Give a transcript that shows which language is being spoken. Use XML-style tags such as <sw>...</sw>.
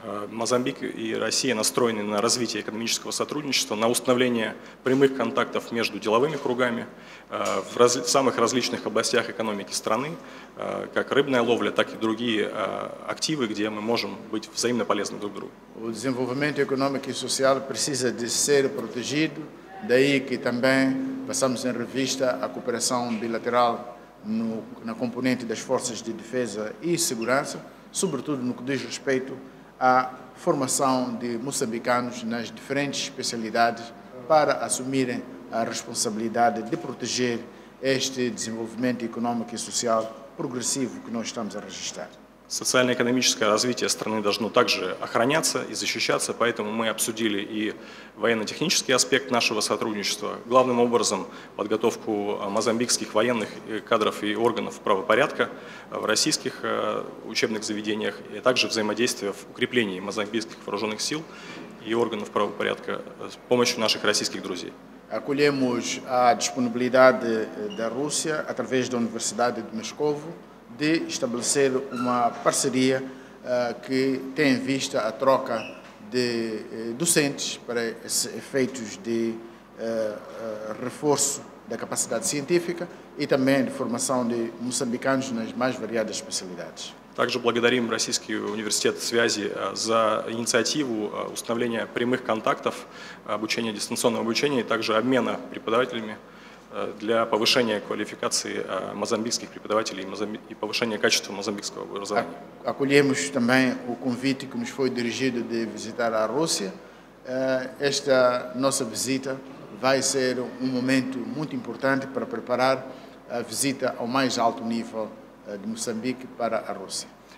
<ru>Мозамбик и Россия настроены на развитие экономического сотрудничества, на установление прямых контактов между деловыми кругами в самых различных областях экономики страны, как рыбная ловля, так и другие активы, где мы можем быть взаимно полезны друг другу.</ru> <pt>O desenvolvimento econômico e social precisa de ser protegido, daí que também passamos em revista a cooperação bilateral na componente das forças de defesa e segurança, sobretudo no que diz respeito à formação de moçambicanos nas diferentes especialidades para assumirem a responsabilidade de proteger este desenvolvimento econômico e social progressivo que nós estamos a registrar.</pt> <ru>Социально-экономическое развитие страны должно также охраняться и защищаться, поэтому мы обсудили и военно-технический аспект нашего сотрудничества, главным образом подготовку мозамбикских военных кадров и органов правопорядка в российских учебных заведениях, и также взаимодействие в укреплении мозамбикских вооруженных сил и органов правопорядка с помощью наших российских друзей.</ru> <pt>Acolhemos a disponibilidade da Rússia através da Universidade de Moscovo de estabelecer uma parceria que tem em vista a troca de docentes para esses efeitos de reforço da capacidade científica e também de formação de moçambicanos nas mais variadas especialidades.</pt> <ru>Также благодарим Российский университет связи за инициативу установления прямых контактов, обучения, дистанционного обучения и также обмена преподавателями для повышения квалификации мозамбикских преподавателей и повышения качества мозамбикского образования.</ru> <pt>Acolhemos também o convite que nos foi dirigido de visitar a Rússia. Esta nossa visita vai ser momento muito importante para preparar a visita ao mais alto nível de Moçambique para a Rússia.</pt>